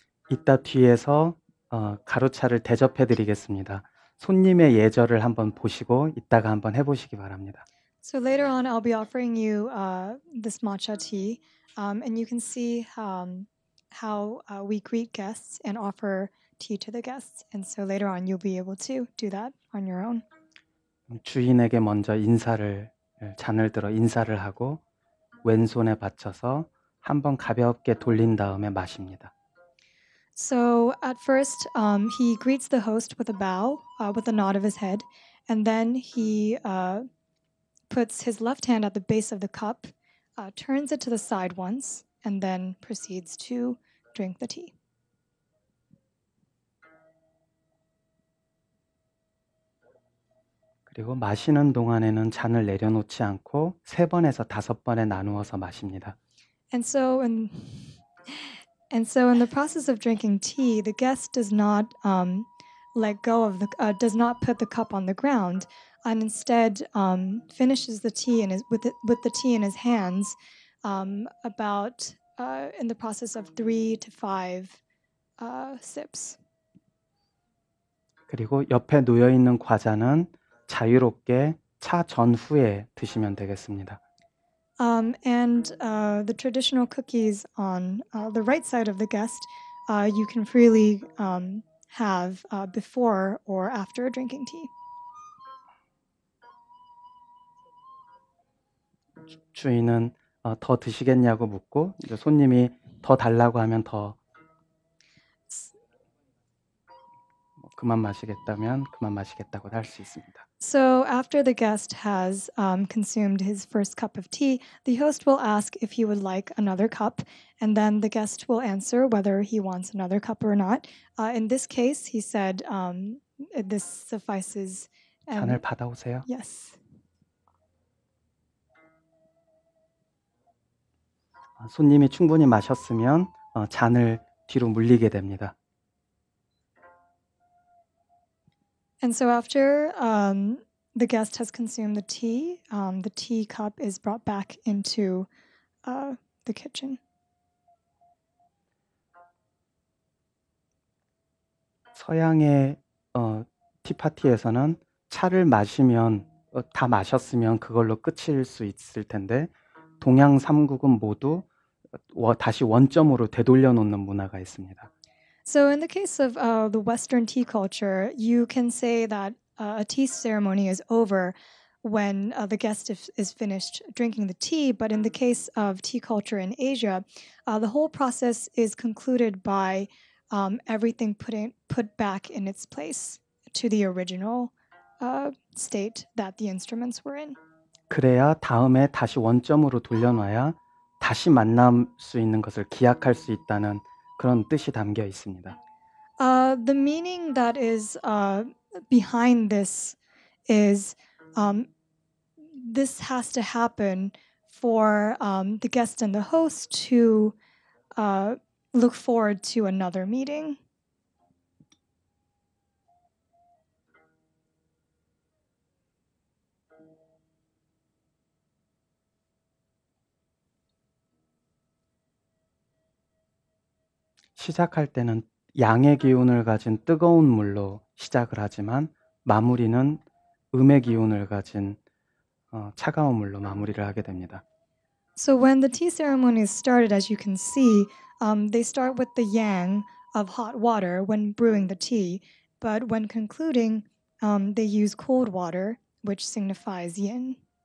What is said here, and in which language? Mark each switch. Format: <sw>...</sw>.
<ko>이따 뒤에서 가로차를 대접해 드리겠습니다. 손님의 예절을 한번 보시고 이따가 한번 해 보시기 바랍니다.</ko> <en>So later on I'll be offering you this matcha tea and you can see how we greet guests and offer tea to the guests and so later on you'll be able to do that on your own.</en> <ko>주인에게 먼저 인사를 잔을 들어 인사를 하고 왼손에 받쳐서 한번 가볍게 돌린 다음에 마십니다.</ko> <en>So at first, he greets the host with a bow, with a nod of his head, and then he puts his left hand at the base of the cup, turns it to the side once, and then proceeds to drink the tea.</en> <ko>그리고 마시는 동안에는 잔을 내려놓지 않고 세 번에서 다섯 번에 나누어서 마십니다.</ko> <en>And so in the process of drinking tea, the guest does not let go of the does not put the cup on the ground, and instead finishes the tea in his with the tea in his hands, in the process of 3 to 5 sips.</en> <ko>그리고 옆에 놓여 있는 과자는 자유롭게 차 전후에 드시면 되겠습니다.</ko> <en>The traditional cookies on the right side of the guest, you can freely have before or after drinking tea.</en> <ko>주인은 더 드시겠냐고 묻고 이제 손님이 더 달라고 하면 더 그만 마시겠다면 그만 마시겠다고 할 수 있습니다.</ko> <en>So after the guest has consumed his first cup of tea, the host will ask if he would like another cup, and then the guest will answer whether he wants another cup or not. In this case, he said, this suffices.</en> <ko>잔을 받아오세요.</ko> <en>Yes.</en> <ko>손님이 충분히 마셨으면 잔을 뒤로 물리게 됩니다.</ko> <en>And so after the guest has consumed the tea, the tea cup is brought back into the kitchen.</en> <ko>서양의 티파티에서는 차를 마시면 다 마셨으면 그걸로 끝일 수 있을 텐데 동양 3국은 모두 다시 원점으로 되돌려 놓는 문화가 있습니다.</ko> <en>So in the case of the Western tea culture, you can say that a tea ceremony is over when the guest is finished drinking the tea. But in the case of tea culture in Asia, the whole process is concluded by everything put back in its place to the original state that the instruments were in.</en> <ko>그래야 다음에 다시 원점으로 돌려놔야 다시 만날 수 있는 것을 기약할 수 있다는 그런 뜻이 담겨 있습니다.</ko> <en>The meaning that is behind this is this has to happen for the guest and the host to look forward to another meeting.</en> <ko>시작할 때는 양의 기운을 가진 뜨거운 물로 시작을 하지만 마무리는 음의 기운을 가진 차가운 물로 마무리를 하게 됩니다.</ko> <en>So when the tea ceremony is started, as you can see, they start with the yang of hot water when brewing the tea, but when concluding, they use cold water, which signifies yin.</en>